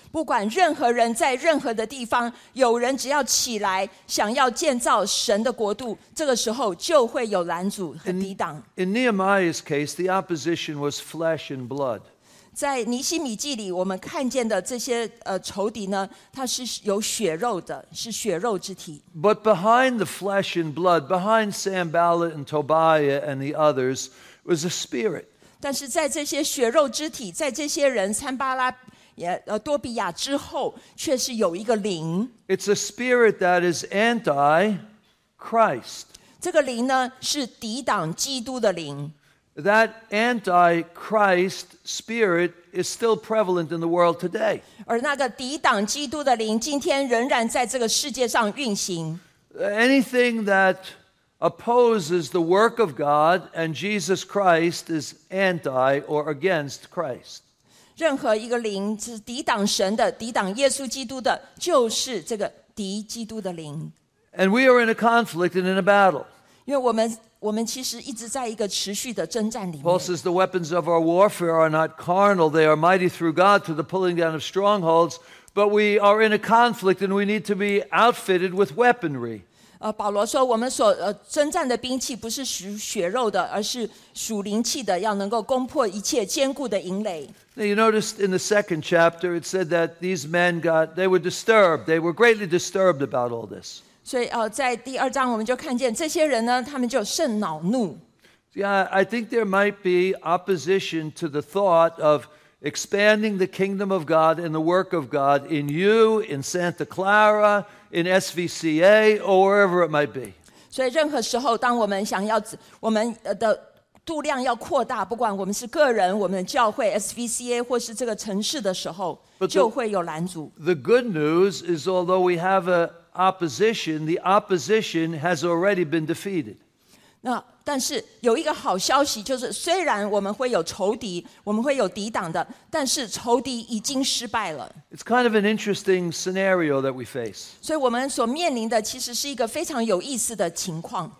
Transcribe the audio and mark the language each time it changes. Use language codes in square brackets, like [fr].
[zh] 不管任何人在任何的地方，有人只要起来想要建造神的国度，这个时候就会有拦阻和抵挡。 [en] In Nehemiah's case, the opposition was flesh and blood. [zh] 在尼希米记里我们看见的这些仇敌呢，它是有血肉的，是血肉之体。 [en] But behind the flesh and blood, behind Sanballat and Tobiah and the others, was a spirit. [zh] 但是在这些血肉之体，在这些人参巴拉多比亚之后，却是有一个灵。 [en] It's a spirit that is anti-Christ. [zh] 这个灵呢，是抵挡基督的灵。 [en] That anti-Christ spirit is still prevalent in the world today. [zh] 而那个抵挡基督的灵今天仍然在这个世界上运行。 [en] Anything that opposes the work of God and Jesus Christ is anti or against Christ. [zh] 任何一个灵是抵挡神的，抵挡耶稣基督的，就是这个敌基督的灵。 [en] And we are in a conflict and in a battle. [zh] 因为我们其实一直在一个持续的征战里面。 [en] Paul says the weapons of our warfare are not carnal, they are mighty through God to the pulling down of strongholds, but we are in a conflict and we need to be outfitted with weaponry. [zh] 保罗说我们所征战的兵器不是属血肉的，而是属灵气的，要能够攻破一切坚固的营垒。 [en] Now you noticed in the second chapter, it said that these men they were disturbed, they were greatly disturbed about all this. [zh] 所以在第二章我们就看见这些人呢，他们就甚恼怒。 [en] Yeah, I think there might be opposition to the thought of expanding the kingdom of God and the work of God in you, in Santa Clara, in SVCA, or wherever it might be. [zh] 所以任何时候，当我们想要我们的度量要扩大，不管我们是个人、我们教会 SVCA 或是这个城市的时候，就会有拦阻。 [en] The good news is, although we have opposition, the opposition has already been defeated. [zh] 那但是有一个好消息，就是虽然我们会有仇敌，我们会有抵挡的，但是仇敌已经失败了。 [en] It's kind of an interesting scenario that we face. [zh] 所以我们所面临的其实是一个非常有意思的情况。